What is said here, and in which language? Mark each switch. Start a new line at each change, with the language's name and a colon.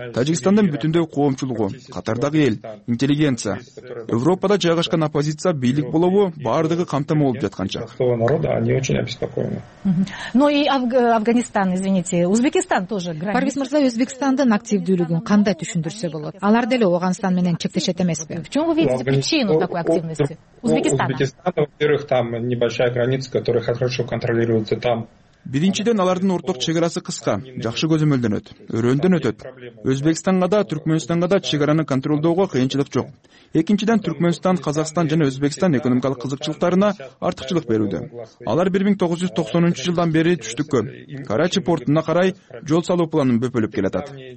Kyrgyz: Таджикистандын бүтүндөй коомчулугу, Катардагы эл, интеллигенция, Европада жайгашкан оппозиция бийлик болобу баардыгы камтама болуп жатканча.
Russian: Но и Афганистан, извините, Узбекистан тоже границ.
Kyrgyz: Парвиз мырза, Өзбекистандын активдүүлүгүн кандай түшүндүрсө болот? Алар деле Ооганстан менен чектешет эмеспи?
Russian: Почему вы видите причину такой активности? Узбекистан, во-первых, там небольшая граница, которая хорошо контролируется там.
Kyrgyz: Биринчиден алардын орток чек арасы кыска, жакшы көзөмөлдөнөт, өрөөндөн өтөт. Өзбекстанга да, Түркмөнстанга да чек араны контролдоого кыйынчылык жок. Экинчиден Түркмөнстан, Казакстан жана Өзбекстан экономикалык кызыкчылыктарына артыкчылык берүүдө. Алар 1990 жылдан бери түштүккө, Карачи портуна карай жол салуу планын бөпөлөп келатат.